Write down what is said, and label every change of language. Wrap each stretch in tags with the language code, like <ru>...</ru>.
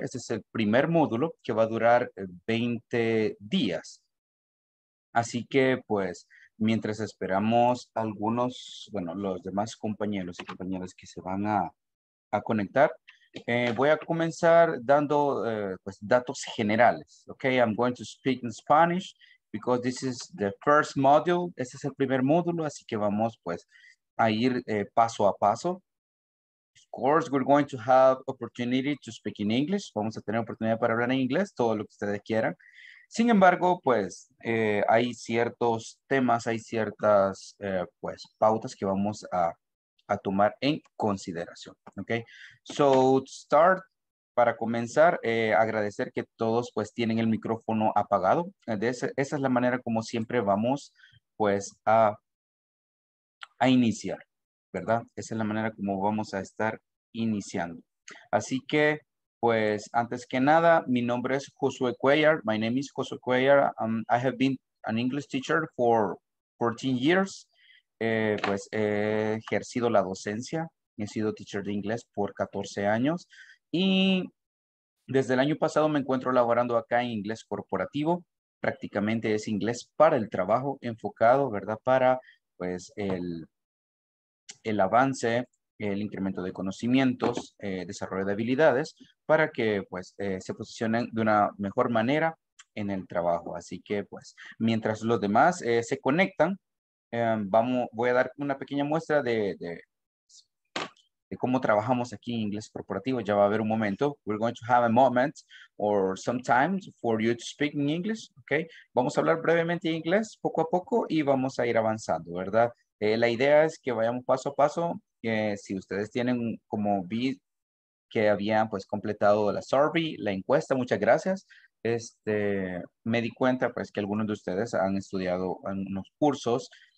<es>Este es el primer módulo que va a durar 20 días. Así que, pues, mientras esperamos algunos, bueno, los demás compañeros y compañeras que se van a conectar, voy a comenzar dando pues, datos generales.</es> <en>Okay, I'm going to speak in Spanish because this is the first module.</en> <es>Este es el primer módulo, así que vamos, pues, a ir paso a paso.</es> <en>Of course, we're going to have opportunity to speak in English.</en> <es>Vamos a tener oportunidad para hablar en inglés, todo lo que ustedes quieran. Sin embargo, pues, hay ciertos temas, hay ciertas, pues, pautas que vamos a tomar en consideración. Okay?</es> <en>So, to start,</en> <es>para comenzar, agradecer que todos, pues, tienen el micrófono apagado. Esa es la manera como siempre vamos, pues, a iniciar. ¿Verdad? Esa es la manera como vamos a estar iniciando. Así que, pues, antes que nada, mi nombre es Josué Cuellar.</es> <en>My name is Josué Cuellar. I have been an English teacher for 14 years.</en> <es>Pues, he ejercido la docencia. He sido teacher de inglés por 14 años. Y desde el año pasado me encuentro laborando acá en inglés corporativo. Prácticamente es inglés para el trabajo enfocado, ¿verdad? Para, pues, el avance, el incremento de conocimientos, desarrollo de habilidades para que pues, se posicionen de una mejor manera en el trabajo. Así que pues, mientras los demás se conectan, voy a dar una pequeña muestra de cómo trabajamos aquí en inglés corporativo. Ya va a haber un momento.</es> <en>We're going to have a moment or sometimes for you to speak in English. Okay?</en> <es>Vamos a hablar brevemente en inglés poco a poco y vamos a ir avanzando, ¿verdad? La idea es que vayamos paso a paso, que si ustedes tienen como vi que habían pues completado la survey, la encuesta, muchas gracias. Este, me di cuenta pues que algunos de ustedes han estudiado en unos cursos.</es>